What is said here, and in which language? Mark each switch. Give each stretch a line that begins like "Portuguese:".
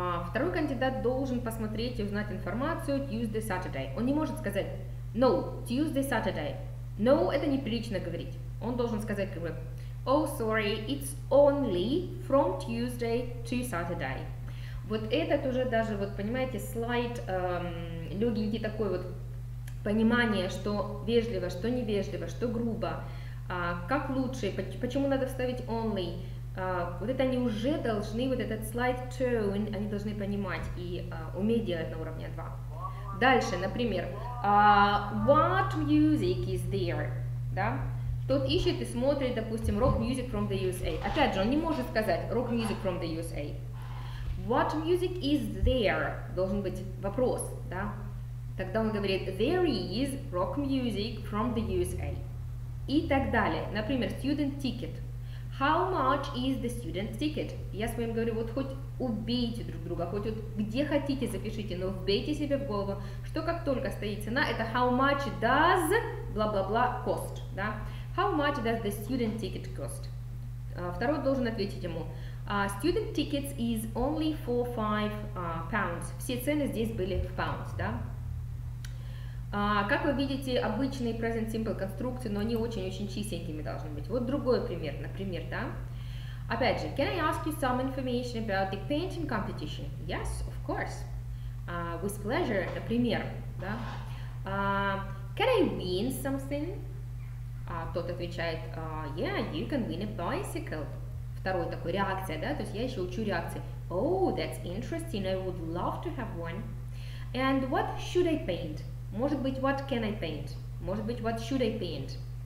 Russian: Второй кандидат должен посмотреть и узнать информацию
English: Tuesday, Saturday.
Russian: Он не может сказать,
English: no, Tuesday, Saturday.
Russian: No, это неприлично говорить. Он должен сказать, как бы,
English: oh, sorry, it's only from Tuesday to Saturday.
Russian: Вот этот уже даже, вот понимаете, слайд, легенький такой вот понимание, что вежливо, что невежливо, что грубо, как лучше, почему надо вставить only. Вот это они уже должны, вот этот слайд tone, они должны понимать и уметь делать на уровне 2. Дальше, например,
English: what music is there?
Russian: Да? Тот ищет и смотрит, допустим,
English: rock music from the USA.
Russian: Опять же, он не может сказать rock music from the USA.
English: What music is there?
Russian: Должен быть вопрос. Да? Тогда он говорит,
English: there is rock music from the USA.
Russian: И так далее. Например,
English: student ticket. How much is the student ticket?
Russian: Я с вами говорю, вот хоть убейте друг друга, хоть вот где хотите запишите, но вбейте себе в голову, что как только стоит цена, это
English: how much does бла-бла-бла cost,
Russian: да?
English: How much does the student ticket cost?
Russian: Второй должен ответить ему,
English: student tickets is only for 5 pounds.
Russian: Все цены здесь были в pounds, да? Как вы видите, обычные present simple конструкции, но они очень-очень чистенькими должны быть. Вот другой пример, например, да? Опять же,
English: can I ask you some information about the painting competition? Yes, of course. With pleasure,
Russian: например, да?
English: Can I win something?
Russian: Тот отвечает,
English: yeah, you can win a bicycle.
Russian: Второй такой, реакция, да? То есть я еще учу реакции.
English: Oh, that's interesting, I would love to have one. And what should I paint?
Russian: Может быть,
English: what can I paint? Может быть, what should I paint?